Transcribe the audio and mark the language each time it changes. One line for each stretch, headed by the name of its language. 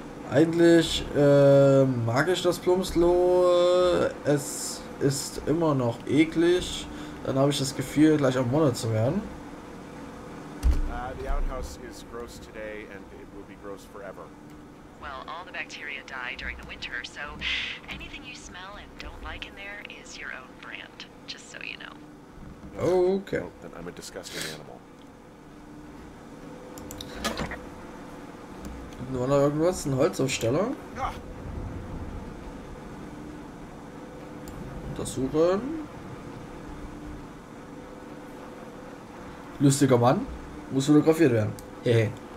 German: Eigentlich mag ich das Plumpsklo. Es ist immer noch eklig. Dann habe ich das Gefühl, gleich am Monat zu werden.
English: The outhouse is gross today and it will be gross forever. Well, all the bacteria die during the winter, so anything you smell and don't like in there is your own brand. Just so you know. Okay. Well, then I'm a disgusting animal.
German: Nur noch irgendwas, ein Holzaufsteller. Untersuchen. Lustiger Mann. Muss fotografiert werden. Hehe.